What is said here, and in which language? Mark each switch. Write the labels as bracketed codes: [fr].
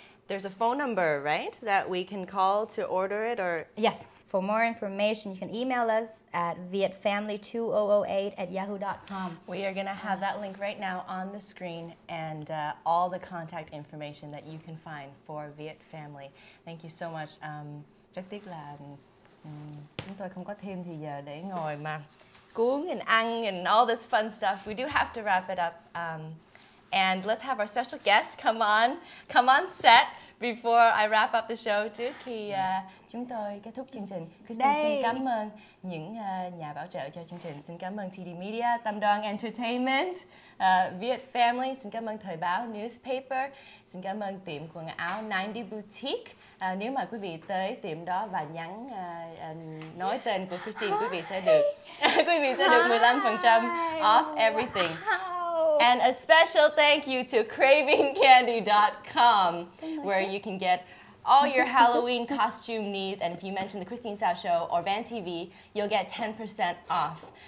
[en] there's a phone number, right, that we can call to order it, or? Yes. For more information, you can email us at vietfamily2008@yahoo.com. We are going to have that link right now on the screen and all the contact information that you can find for Viet Family. Thank you so much. [vi] Rất tiếc là chúng tôi không có thêm thì giờ để ngồi mà cuốn and ăn [en] and all this fun stuff. We do have to wrap it up. And let's have our special guest come on. Come on set. Before I wrap up the show, [vi] trước khi chúng tôi kết thúc chương trình, Christine xin cảm ơn những nhà bảo trợ cho chương trình. Xin cảm ơn TD Media, Tam Doan Entertainment, Viet Family, xin cảm ơn Thoi Bao Newspaper, xin cảm ơn tiệm quần áo 90 Boutique. Nếu mà quý vị tới tiệm đó và nhắn nói tên của Christine, quý vị sẽ được 15% [en] off everything. Wow. And a special thank you to cravingcandy.com, where you can get all your Halloween costume needs. And if you mention the Christine Sa Show or Van TV, you'll get 10% off.